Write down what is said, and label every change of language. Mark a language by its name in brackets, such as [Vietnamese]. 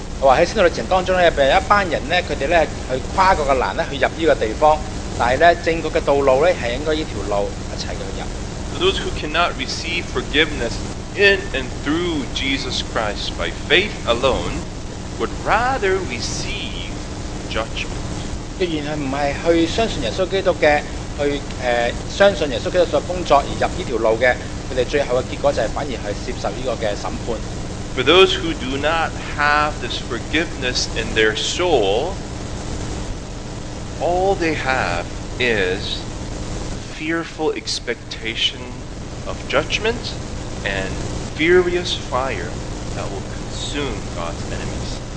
[Cantonese] 話喺先到歷程當中咧，有一班人咧，佢哋咧去跨過個欄咧，去入依個地方。但係咧，正確嘅道路咧係應該依條路一齊去入。 [English] Those who cannot receive forgiveness in and through Jesus Christ by faith alone would rather receive judgment. [Cantonese] 既然係唔係去相信耶穌基督嘅，去相信耶穌基督所工作而入依條路嘅，佢哋最後嘅結果就係反而去接受依個嘅審判。 [English] For those who do not have this forgiveness in their soul, all they have is fearful expectation of judgment and furious fire that will consume God's enemies.